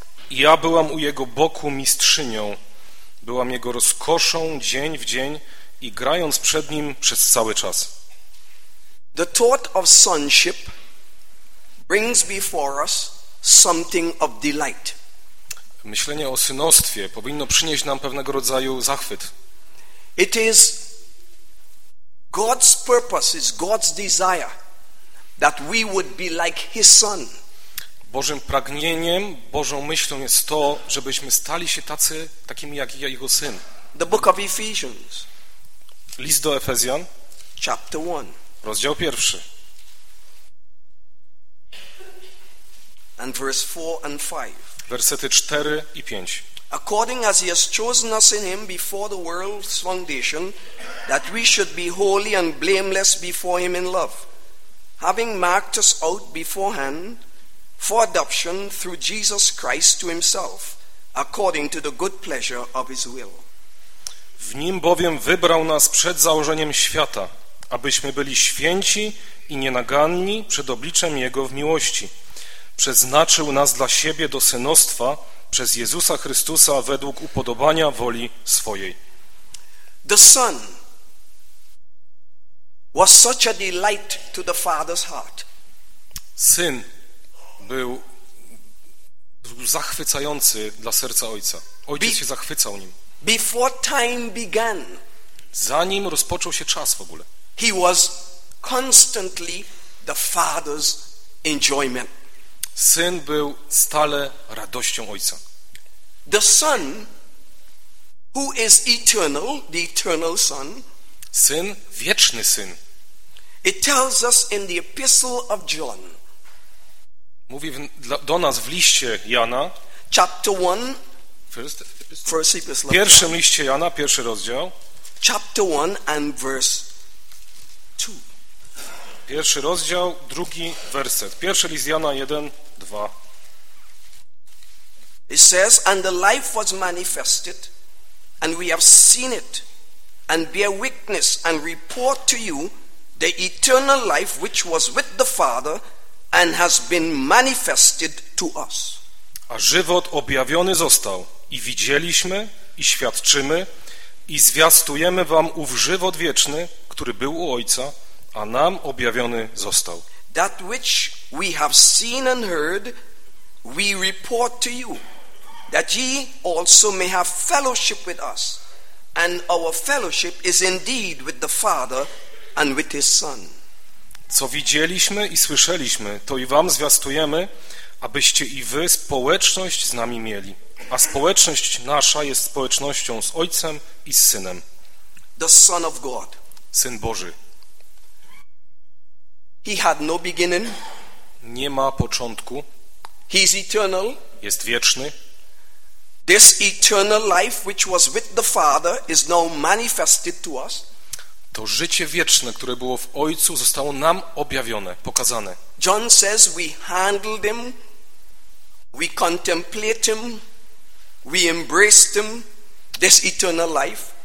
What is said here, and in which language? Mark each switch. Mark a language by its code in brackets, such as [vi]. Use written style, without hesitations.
[pl] Ja byłam u jego boku mistrzynią, byłam jego rozkoszą dzień w dzień i grając przed nim przez cały czas. [en] The thought of sonship brings before us something of delight. [pl] Myślenie o synostwie powinno przynieść nam pewnego rodzaju zachwyt. [en] It is God's purpose, is God's desire that we would be like his son. [pl] Bożym pragnieniem, Bożą myślą jest to, żebyśmy stali się tacy, takimi jak jego syn. [en] The book of Ephesians. [pl] List do Efezjan. [en] Chapter 1. [pl] Rozdział 1. [en] And verse 4 and 5. [pl] Wersety 4 i 5. [en] According as he has chosen us in him before the world's foundation, that we should be holy and blameless before him in love, having marked us out beforehand for adoption through Jesus Christ to himself, according to the good pleasure of his will. [pl] W nim bowiem wybrał nas przed założeniem świata, abyśmy byli święci i nienaganni przed obliczem jego w miłości. Przeznaczył nas dla siebie do synostwa, przez Jezusa Chrystusa według upodobania woli swojej. [en] The Son was such a delight to the Father's heart. [pl] Syn był zachwycający dla serca Ojca. Ojciec się zachwycał nim. [en] Before time began. [pl] Zanim rozpoczął się czas w ogóle. [en] He was constantly the Father's enjoyment. [pl] Syn był stale radością Ojca. [en] The Son, who is eternal, the eternal Son. [pl] Syn, wieczny Syn. [en] It tells us in the Epistle of John. [pl] Mówi do nas w liście Jana. [en] Chapter 1. First epistle. [pl] Pierwszym liście Jana, pierwszy rozdział. [en] Chapter 1 and verse 2. [pl] Pierwszy rozdział, drugi werset. Pierwszy list Jana 1, 2. [en] It says, and the life was manifested, and we have seen it, and bear witness, and report to you the eternal life which was with the Father and has been manifested to us. [pl] A żywot objawiony został, i widzieliśmy, i świadczymy, i zwiastujemy wam ów żywot wieczny, który był u Ojca, a nam objawiony został. [en] That which we have seen and heard, we report to you, that ye also may have fellowship with us, and our fellowship is indeed with the Father and with his Son. [pl] Co widzieliśmy i słyszeliśmy, to i wam zwiastujemy, abyście i wy społeczność z nami mieli. A społeczność nasza jest społecznością z Ojcem i z Synem. [en] The Son of God. [pl] Syn Boży. [en] He had no beginning. [pl] Nie ma początku. [en] He is eternal. [pl] Jest wieczny. [en] This eternal life which was with the Father is now manifested to us. [pl] To życie wieczne, które było w Ojcu, zostało nam objawione, pokazane. [en] John says we handled him, we contemplate him, we embraced him, this eternal life.